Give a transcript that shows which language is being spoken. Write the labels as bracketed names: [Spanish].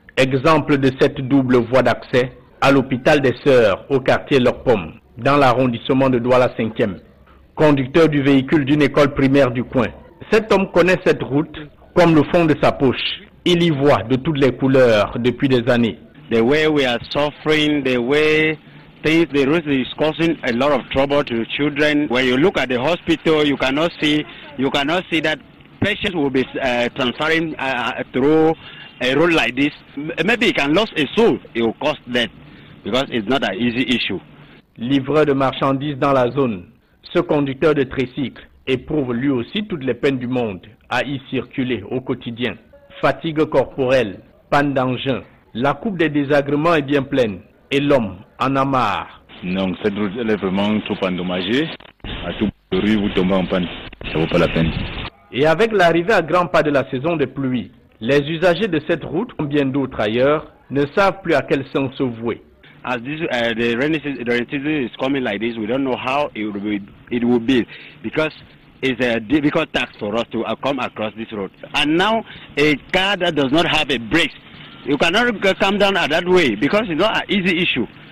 [French] Exemple de cette double voie d'accès à l'hôpital des Sœurs au quartier Lokpom, dans l'arrondissement de Douala 5e. Conducteur du véhicule d'une école primaire du coin, cet homme connaît cette route comme le fond de sa poche. Il y voit de toutes les couleurs depuis des années. [English] The way we are suffering, the way things, the road is causing a lot of trouble to children. When you look at the hospital, you cannot see that patients will be transferring through a road like this. Maybe he can lose a soul. It will cost death because it's not an easy issue. [French] Livreur de marchandises dans la zone, ce conducteur de tricycle éprouve lui aussi toutes les peines du monde à y circuler au quotidien. Fatigue corporelle, panne d'engin. La coupe des désagréments est bien pleine et l'homme en a marre. Non, cette route, elle est vraiment trop endommagée. À tout bout de rue, vous tombez en panne. Ça vaut pas la peine. Et avec l'arrivée à grands pas de la saison des pluies, les usagers de cette route, comme bien d'autres ailleurs, ne savent plus à quel sens se vouer. [English] As this, the rainy season is coming like this, we don't know how it will be because it's a difficult task for us to come across this road. And now a car that does not have a brake. You cannot come down at that way because it's not an easy issue.